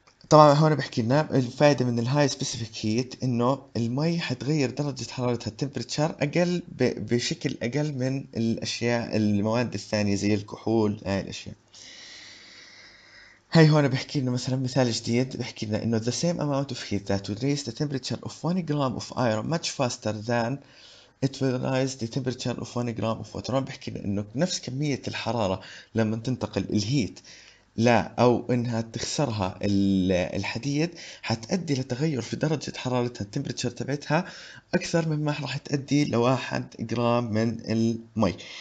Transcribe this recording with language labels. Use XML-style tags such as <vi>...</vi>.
<ar>طبعا هون بحكي لنا الفائدة من الهاي سبيسيفيك هيت انه المي حتغير درجة حرارتها التمبريتشر اقل بشكل اقل من الاشياء المواد الثانية زي الكحول هاي الاشياء. هاي هون بحكي لنا مثلا مثال جديد، بحكي لنا انه</ar> <en>the same amount of heat that would raise the temperature of 1 gram of iron much faster than it will rise the temperature of 1 gram of water.</en> <ar>هون بحكي لنا انه نفس كمية الحرارة لما تنتقل الهيت لا او انها تخسرها الحديد حتأدي لتغير في درجة حرارتها التمبريتشر تبعتها اكثر مما راح تأدي لواحد جرام من المي.</ar>